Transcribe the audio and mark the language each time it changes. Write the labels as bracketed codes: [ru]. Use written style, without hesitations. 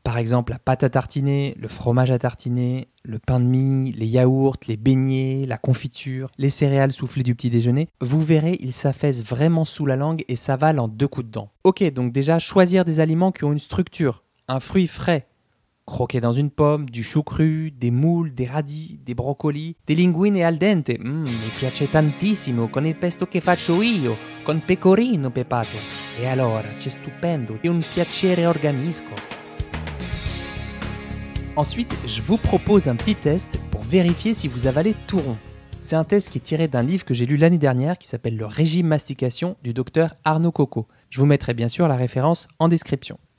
[fr] Par exemple, la pâte à tartiner, le fromage à tartiner, le pain de mie, les yaourts, les beignets, la confiture, les céréales soufflées du petit déjeuner. Vous verrez, ils s'affaissent vraiment sous la langue et s'avalent en deux coups de dent. Ok, donc déjà, choisir des aliments qui ont une structure, un fruit frais. Croquer dans une pomme, du chou cru, des moules, des radis, des brocolis, des linguine al dente. [it] Mi piace tantissimo con il pesto che faccio io, con pecorino pepato. E allora, c'è stupendo, è un piacere organico. [fr] Ensuite, je vous propose un petit test pour vérifier si vous avalez tout rond. C'est un test qui est tiré d'un livre que j'ai lu l'année dernière qui s'appelle Le régime mastication du docteur Arnaud Coco. Je vous mettrai bien sûr la référence en description.